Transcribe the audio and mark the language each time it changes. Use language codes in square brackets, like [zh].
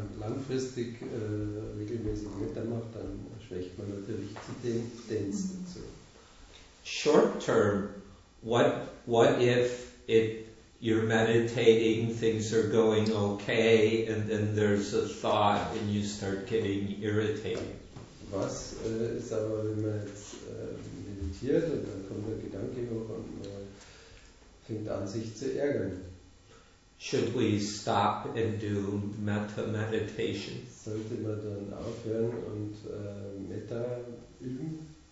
[de] Wenn man langfristig regelmäßig Metta macht, dann schwächt man natürlich die Tendenz dazu. [en] Short term, what if it you're meditating, things are going okay, and then there's a thought and you start getting irritated? [de] Was ist aber, wenn man jetzt meditiert und dann kommt der Gedanke hoch und man fängt an, sich zu ärgern? [en] Should we stop and do metta meditation? [de] Sollte man dann aufhören und Metta üben?